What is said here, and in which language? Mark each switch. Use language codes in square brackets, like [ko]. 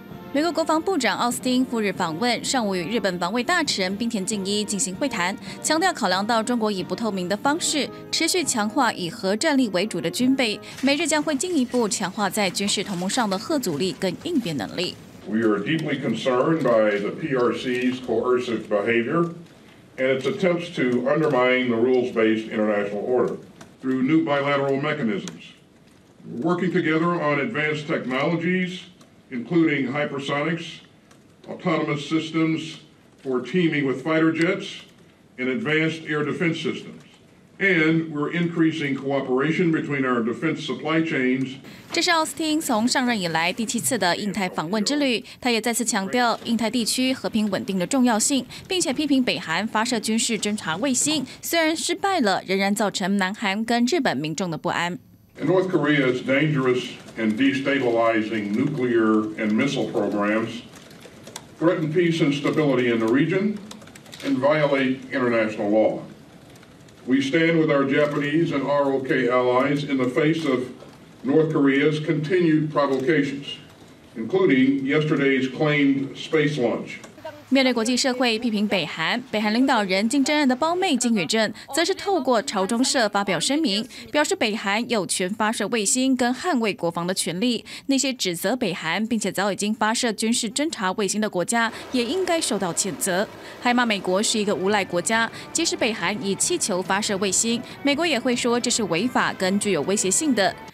[zh] 美国国防部长奥斯汀赴日访问，上午与日本防卫大臣滨田进一进行会谈，强调考量到中国以不透明的方式持续强化以核战力为主的军备，美日将会进一步强化在军事同盟上的核阻力跟应变能力。 [en] We are deeply concerned by the PRC's coercive behavior and its attempts to undermine the rules-based international order through new bilateral mechanisms. Working together on advanced technologies. Including hypersonics, autonomous systems for teaming with fighter jets, and advanced air defense systems. And we're increasing cooperation between our defense supply chains. [zh] 这是奥斯汀从上任以来第7次的印太访问之旅。他也再次强调印太地区和平稳定的重要性，并且批评北韩发射军事侦察卫星，虽然失败了，仍然造成南韩跟日本民众的不安。 [en] North Korea's dangerous and destabilizing nuclear and missile programs threaten peace and stability in the region and violate international law. We stand with our Japanese and ROK allies in the face of North Korea's continued provocations, including yesterday's claimed space launch. [zh] 面对国际社会批评北韩，北韩领导人金正恩的胞妹金宇镇则是透过朝中社发表声明，表示北韩有权发射卫星跟捍卫国防的权利，那些指责北韩并且早已经发射军事侦察卫星的国家也应该受到谴责，还骂美国是一个无赖国家，即使北韩以气球发射卫星，美国也会说这是违法跟具有威胁性的。